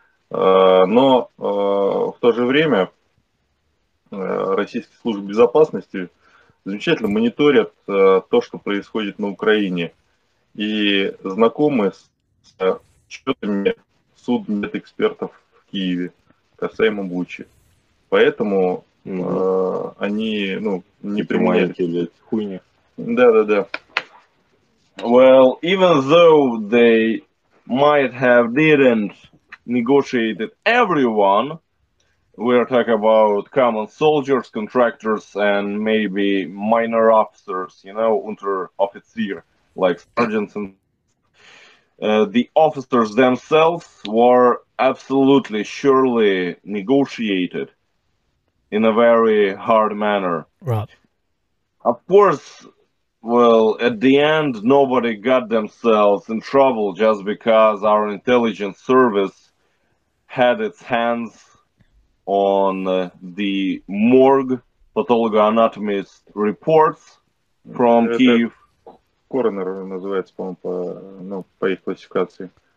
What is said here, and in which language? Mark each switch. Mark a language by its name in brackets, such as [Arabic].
[Russian] Но в то же время российские службы безопасности замечательно мониторят то, что происходит на Украине. И знакомы с отчетами судмедэкспертов в Киеве касаемо Бучи. Поэтому они, ну, не принимали эти хуйни. Да-да-да. [English] Well, even though they might have didn't negotiate everyone, we are talking about common soldiers, contractors, and maybe minor officers, you know, unteroffizier, like sergeants, and the officers themselves were absolutely surely negotiated in a very hard manner. Right. Of course, well, at the end, nobody got themselves in trouble just because our intelligence service had its hands on the morgue patologоанатомist reports from Kyiv. [Russian] Coroner называется, по-моему, по, ну, по их классификации.